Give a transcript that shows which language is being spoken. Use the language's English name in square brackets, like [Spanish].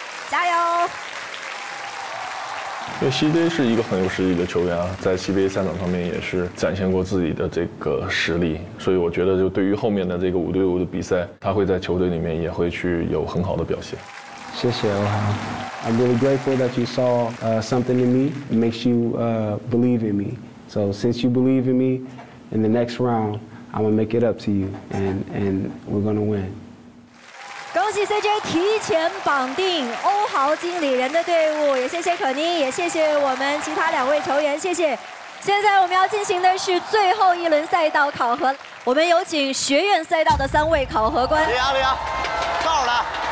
[Chinese] 加油！因为 CJ 是一个很有实力的球员啊，在 CBA 赛场方面也是展现过自己的这个实力，所以我觉得就对于后面的这个5-5的比赛，他会在球队里面也会去有很好的表现。谢谢欧豪。 [English] I'm really grateful that you saw something in me, it makes you believe in me. So since you believe in me, in the next round, I'm gonna make it up to you, and we're gonna win. [Chinese] 恭喜 CJ 提前绑定欧豪经理人的队伍，也谢谢可妮，也谢谢我们其他两位球员，谢谢。现在我们要进行的是最后一轮赛道考核，我们有请学院赛道的三位考核官。李阳，李阳，到了。